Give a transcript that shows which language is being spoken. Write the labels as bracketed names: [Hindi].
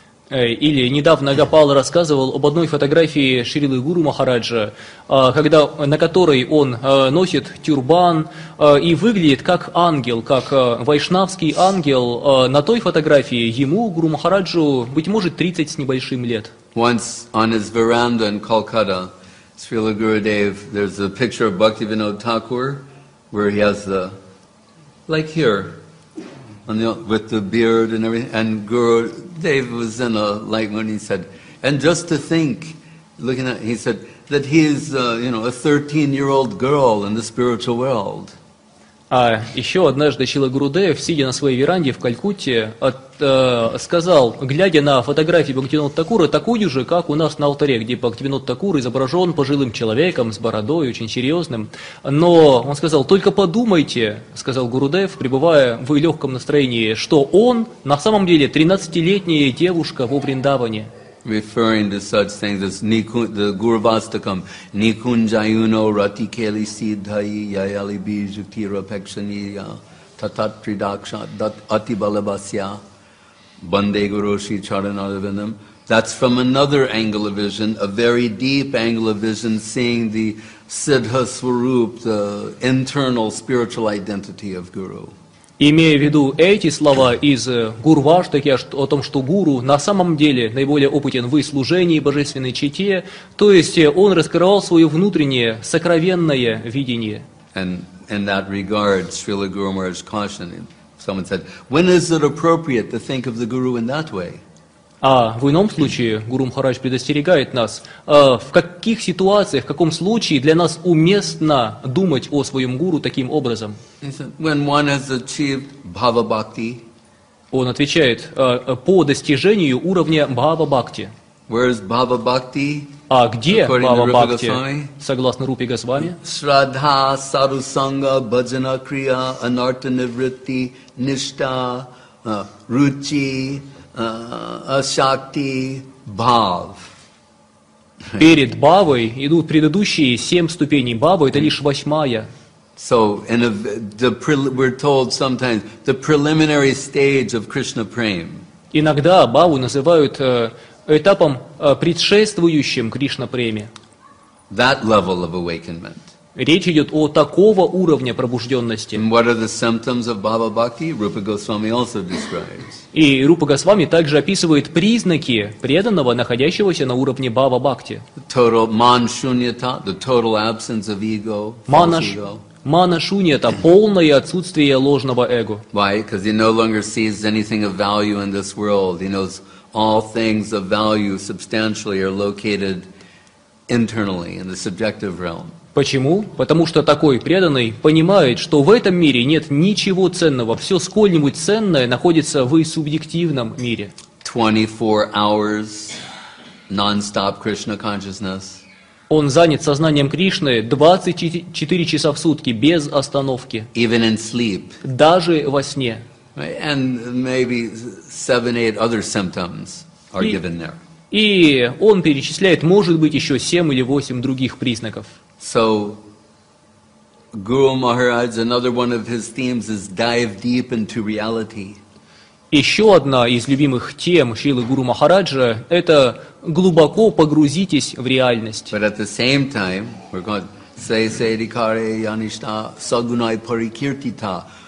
[Russian] Или недавно Гопал рассказывал об одной фотографии Шрилы Гуру Махараджа, когда, на которой он носит тюрбан и выглядит как ангел, как вайшнавский ангел. На той фотографии ему, Гуру Махараджу, быть может, 30 с небольшим лет. [English] Once on his veranda in Calcutta, Srila Gurudev, there's a picture of Bhaktivinoda Thakur, where he has the, like here, on the, with the beard and everything, and Guru Dave was in a light mood, he said, and just to think, looking at, he said, that he is, you know, a 13-year-old girl in the spiritual world. [Russian] А еще однажды Шрила Гурудев, сидя на своей веранде в Калькутте, сказал, глядя на фотографии Бхактивинода Такура, такую же, как у нас на алтаре, где Бхактивинода Такура изображен пожилым человеком с бородой, очень серьезным. Но он сказал, только подумайте, сказал Гурудев, пребывая в легком настроении, что он на самом деле 13-летняя девушка во Вриндаване. [English] Referring to such things as the Gurvastakam, [Sanskrit] Nikunjayuno Ratikeli Siddhai Yayali Bijutira Pekshaniya Tatat Tridaksha Dat Atibalabasya Bande Guroshi Charanadavindam. [English] That's from another angle of vision, a very deep angle of vision, seeing the Siddha Swarup, the internal spiritual identity of Guru. [Russian] Имея в виду эти слова из Гурваштаки о том, что Гуру на самом деле наиболее опытен в служении божественной чете, то есть он раскрывал свое внутреннее сокровенное видение. [English] And in that regard, Srila Guru Maharaj cautioned, someone said, when is it appropriate to think of the Guru in that way? [Russian] А в ином случае Гуру Махарадж предостерегает нас, в каких ситуациях, в каком случае для нас уместно думать о своем гуру таким образом? [English] When one has achieved bhava bhakti, [Russian] он отвечает, по достижению уровня бхава бхакти. [English] Where is bhava bhakti? [Russian] А где бхава бхакти? Согласно Рупи Госвами. [Sanskrit] Shraddha, sarusanga, bhajana kriya, anartha nivritti, nishta, ruchi. Ашакти Бхав. [Russian] Перед Бхавой идут предыдущие семь ступеней Бхавы, это лишь восьмая. [English] So, in a, the, we're told sometimes the preliminary stage of Krishna Prem. [Russian] Иногда Бхаву называют этапом предшествующим Кришна Преме. [English] That level of awakenment. [Russian] Речь идет о такого уровня пробужденности. [English] And what are the symptoms of Bhava Bhakti? Rupa Goswami also describes. [Russian] И Рупа Госвами также описывает признаки преданного, находящегося на уровне Бхава Бхакти. [English] Total man-shunyata, the total absence of ego, false ego. [Russian] Мана-шуньята, полное отсутствие ложного эго. [English] Why? Because he no longer sees anything of value in this world. He knows all things of value substantially are located internally in the subjective realm. [Russian] Почему? Потому что такой преданный понимает, что в этом мире нет ничего ценного, все сколь-нибудь ценное находится в субъективном мире. [English] 24 hours non-stop Krishna consciousness. [Russian] Он занят сознанием Кришны 24 часа в сутки, без остановки. [English] Even in sleep. [Russian] Даже во сне. [English] And maybe 7-8 other symptoms are given there. [Russian] И он перечисляет, может быть, еще 7 или 8 других признаков. [English] So, Guru Maharaj, another one of his themes is dive deep into reality. [Russian] Еще одна из любимых тем Шрилы Гуру Махараджа – это глубоко погрузитесь в реальность. [English] But at the same time, we're going say [Sanskrit] sadikare yanishta sagunai parikirtita.